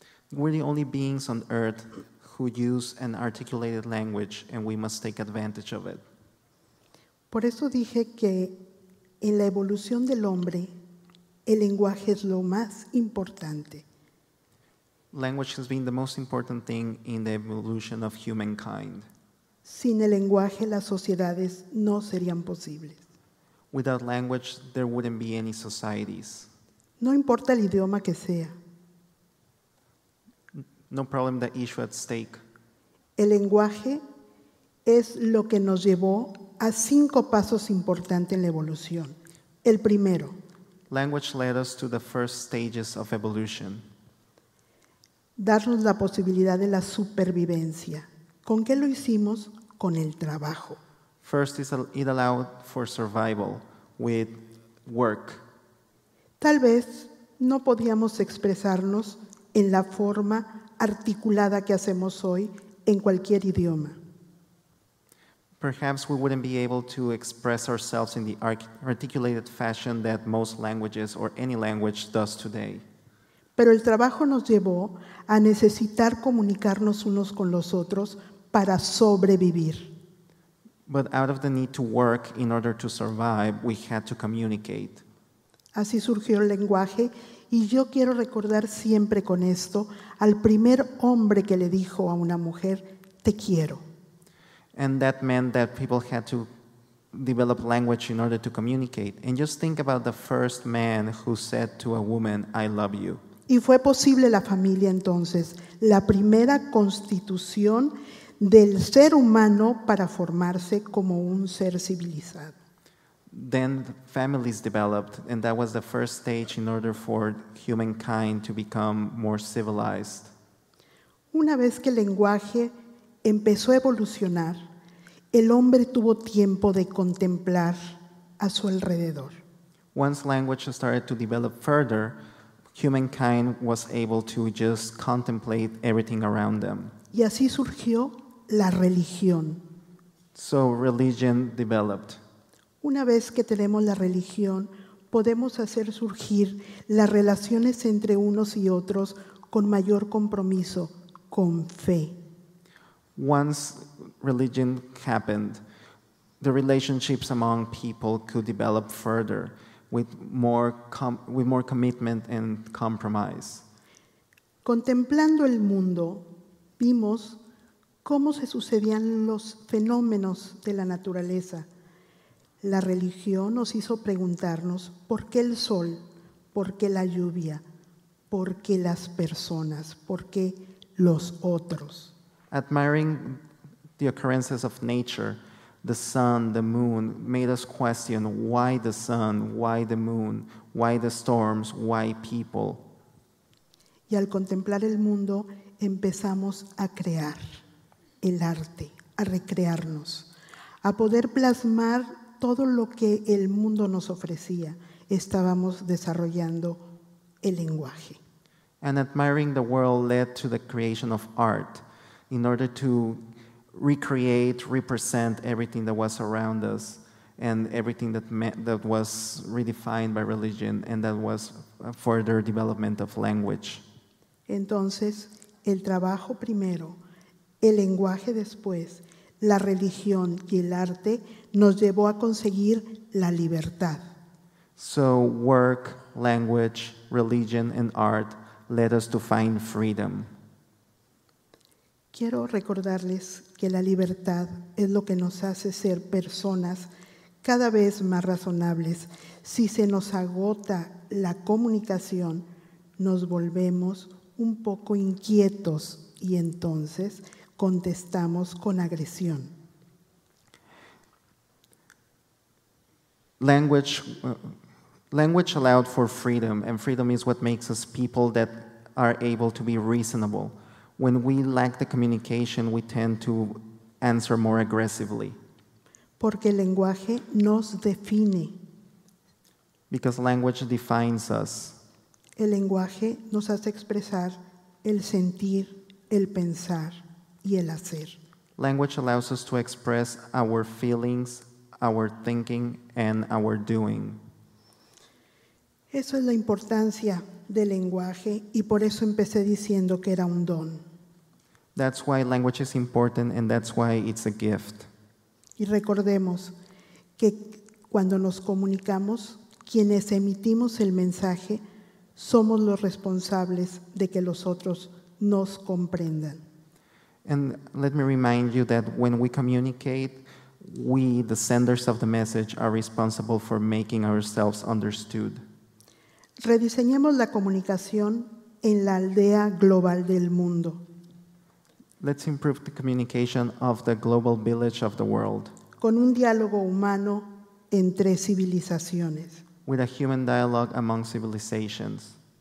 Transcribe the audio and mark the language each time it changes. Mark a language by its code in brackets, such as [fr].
[en] We're the only beings on Earth who use an articulated language, and we must take advantage of it. [es] Por eso dije que en la evolución del hombre, el lenguaje es lo más importante. [en] Language has been the most important thing in the evolution of humankind. [es] Sin el lenguaje, las sociedades no serían posibles. [en] Without language, there wouldn't be any societies. [es] No importa el idioma que sea. [en] No problem the issue at stake. [es] El lenguaje es lo que nos llevó a cinco pasos importantes en la evolución. El primero. [en] Language led us to the first stages of evolution. [es] Darnos la posibilidad de la supervivencia. ¿Con qué lo hicimos? Con el trabajo. [en] First, it allowed for survival with work. [es] Tal vez no podíamos expresarnos en la forma articulada que hacemos hoy en cualquier idioma. [en] Perhaps we wouldn't be able to express ourselves in the articulated fashion that most languages or any language does today. [es] Pero el trabajo nos llevó a necesitar comunicarnos unos con los otros para sobrevivir. [en] But out of the need to work in order to survive, we had to communicate. [es] Así surgió el lenguaje, y yo quiero recordar siempre con esto al primer hombre que le dijo a una mujer, te quiero. [en] And that meant that people had to develop language in order to communicate. And just think about the first man who said to a woman, I love you. [es] Y fue posible la familia entonces, la primera constitución del ser humano para formarse como un ser civilizado. [en] Then families developed, and that was the first stage in order for humankind to become more civilized. [es] Una vez que el lenguaje empezó a evolucionar, el hombre tuvo tiempo de contemplar a su alrededor. [en] Once language started to develop further, humankind was able to just contemplate everything around them. [es] Y así surgió la religión. [en] So religion developed. [es] Una vez que tenemos la religión, podemos hacer surgir las relaciones entre unos y otros con mayor compromiso, con fe. [en] Once religion happened, the relationships among people could develop further with more commitment and compromise. [es] Contemplando el mundo, vimos cómo se sucedían los fenómenos de la naturaleza. La religión nos hizo preguntarnos por qué el sol, por qué la lluvia, por qué las personas, por qué los otros. [en] Admiring the occurrences of nature, the sun, the moon, made us question why the sun, why the moon, why the storms, why people. [es] Y al contemplar el mundo, empezamos a crear el arte, a recrearnos, a poder plasmar todo lo que el mundo nos ofrecía. Estábamos desarrollando el lenguaje. [en] And admiring the world led to the creation of art in order to recreate, represent everything that was around us and everything that was redefined by religion and that was a further development of language. [es] Entonces, el trabajo primero, el lenguaje después, la religión y el arte nos llevó a conseguir la libertad. [en] So work, language, religion, and art led us to find freedom. [es] Quiero recordarles que la libertad es lo que nos hace ser personas cada vez más razonables. Si se nos agota la comunicación, nos volvemos un poco inquietos y entonces contestamos con agresión. [en] Language allowed for freedom, and freedom is what makes us people that are able to be reasonable. When we lack the communication, we tend to answer more aggressively. [es] Porque el lenguaje nos define. [en] Because language defines us. [es] El lenguaje nos hace expresar el sentir, el pensar. Y el hacer. [en] Language allows us to express our feelings, our thinking, and our doing. [es] Eso es la importancia del lenguaje, y por eso empecé diciendo que era un don. [en] That's why language is important, and that's why it's a gift. [es] Y recordemos que cuando nos comunicamos, quienes emitimos el mensaje, somos los responsables de que los otros nos comprendan. [en] And let me remind you that when we communicate, we, the senders of the message, are responsible for making ourselves understood. [es] Rediseñemos la comunicación en la aldea global del mundo. [en] Let's improve the communication of the global village of the world. [es] Con un diálogo humano entre civilizaciones. [en] With a human dialogue among civilizations.